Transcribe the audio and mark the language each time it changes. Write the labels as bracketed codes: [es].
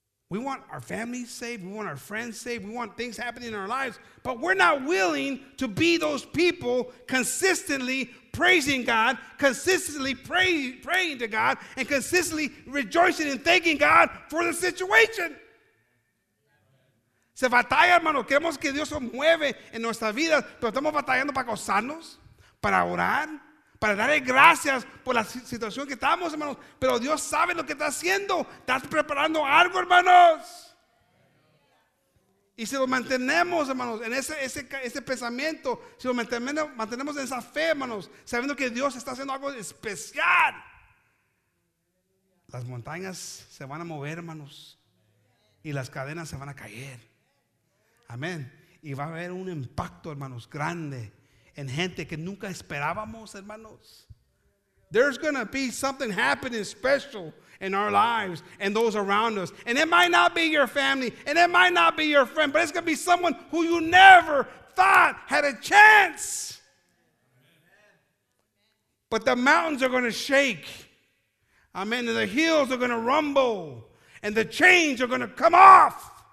[en] We want our families saved. We want our friends saved. We want things happening in our lives. But we're not willing to be those people consistently praising God, consistently praying to God, and consistently rejoicing and thanking God for the situation. [es] Se batalla, hermano. Queremos que Dios se mueve en nuestra vida, pero estamos batallando para gozarnos, para orar, para darle gracias por la situación que estamos, hermanos. Pero Dios sabe lo que está haciendo. Estás preparando algo, hermanos. Y si lo mantenemos, hermanos, en ese pensamiento, si lo mantenemos en esa fe, hermanos, sabiendo que Dios está haciendo algo especial, las montañas se van a mover, hermanos, y las cadenas se van a caer. Amén. Y va a haber un impacto, hermanos, grande en gente que nunca esperábamos, hermanos. [en] There's going to be something happening special in our lives and those around us. And it might not be your family, and it might not be your friend, but it's going to be someone who you never thought had a chance. But the mountains are going to shake. Amen. And the hills are going to rumble, and the chains are going to come off.